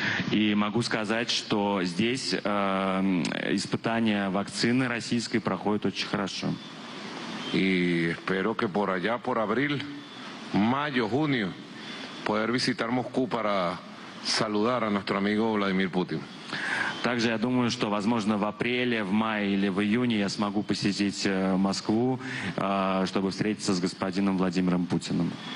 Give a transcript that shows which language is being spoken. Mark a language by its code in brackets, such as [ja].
[ru] И могу сказать, что здесь испытания вакцины российской проходят очень хорошо. [es] Y espero que por allá, por abril, mayo, junio, poder visitar Moscú para saludar a nuestro amigo Vladimir Putin. [ru] Также я думаю, что, возможно, в апреле, в мае или в июне я смогу посетить Москву, чтобы встретиться с господином Владимиром Путиным.